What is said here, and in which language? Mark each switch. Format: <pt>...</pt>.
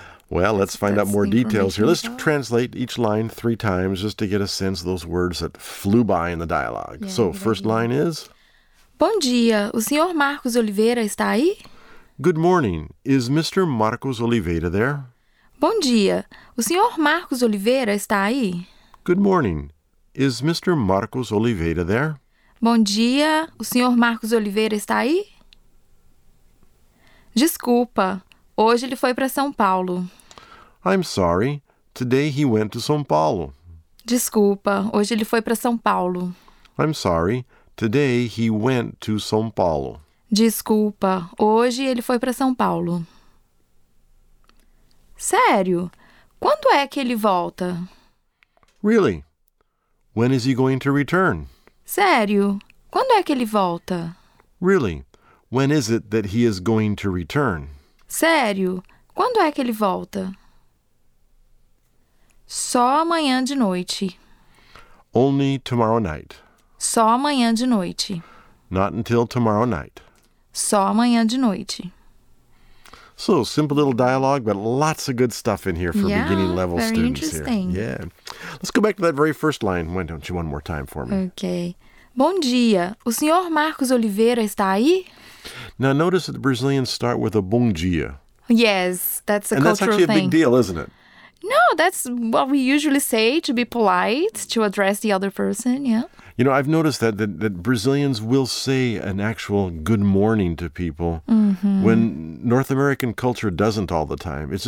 <en>Well, let's find out more details here. Let's translate each line three times just to get a sense of those words that flew by in the dialogue. Yeah, so, first line is?</en> <pt>Bom dia. O senhor Marcos Oliveira está aí?</pt> <en>Good morning. Is Mr. Marcos Oliveira there?</en> <pt>Bom dia. O senhor Marcos Oliveira está aí?</pt> <en>Good morning. Is Mr. Marcos Oliveira there?</en> <pt>Bom dia, o senhor Marcos Oliveira está aí? Desculpa, hoje ele foi para São Paulo.</pt> <en>I'm sorry, today he went to São Paulo.</en> <pt>Desculpa, hoje ele foi para São Paulo.</pt> <en>I'm sorry, today he went to São Paulo.</en> <pt>Desculpa, hoje ele foi para São Paulo. Sério? Quando é que ele volta?</pt> <en>Really? When is he going to return?</en> <pt>Sério? Quando é que ele volta?</pt> <en>Really? When is it that he is going to return?</en> <pt>Sério? Quando é que ele volta? Só amanhã de noite.</pt> <en>Only tomorrow night.</en> <pt>Só amanhã de noite.</pt> <en>Not until tomorrow night.</en> <pt>Só amanhã de noite.</pt> <en>So, simple little dialogue, but lots of good stuff in here for beginning level very students interesting. Here. Yeah. Let's go back to that very first line, why don't you, one more time for me.</en> <pt>Okay. Bom dia. O senhor Marcos Oliveira está aí?</pt> <en>Now, notice that the Brazilians start with a</en> <pt>bom dia.</pt> <en>Yes, that's a and cultural thing. And that's actually thing. A big deal, isn't it? No, that's what we usually say to be polite, to address the other person, yeah. You know, I've noticed that Brazilians will say an actual good morning to people when North American culture doesn't all the time.</en>